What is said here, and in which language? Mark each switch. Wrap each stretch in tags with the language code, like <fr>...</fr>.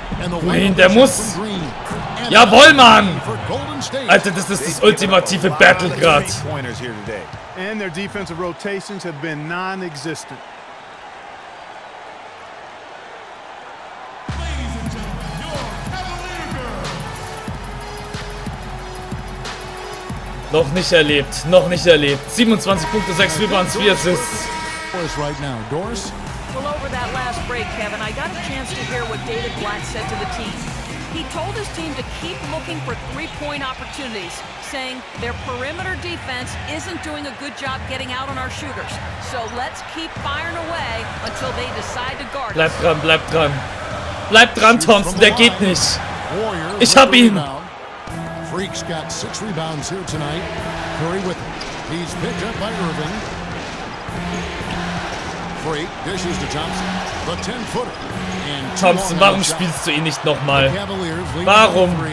<de>Green, der muss. Jawohl, Mann. Alter, das ist das ultimative Battle gerade.</de> <en>And their defensive rotations have been non-existent.</en> <de>Noch nicht erlebt, noch nicht erlebt. 27 Punkte, 6 Rebounds, 4 Assists.</de> <en>Right now, Doris. Well, over that last break, Kevin, I got a chance to hear what David Black said to the team. He told his team to keep looking for three-point opportunities, saying their perimeter defense isn't doing a good job getting out on our shooters. So let's keep firing away until they decide to guard us.</en> <de>Bleibt dran, bleibt dran. Bleibt dran, Thompson, der geht nicht. Ich hab ihn.</de> <en>Freaks got six rebounds here tonight. Curry with it. He's picked up by Irving. Freak dishes to Thompson. The 10-footer.</en> <de>Thompson, warum spielst du ihn nicht nochmal? Warum?</de>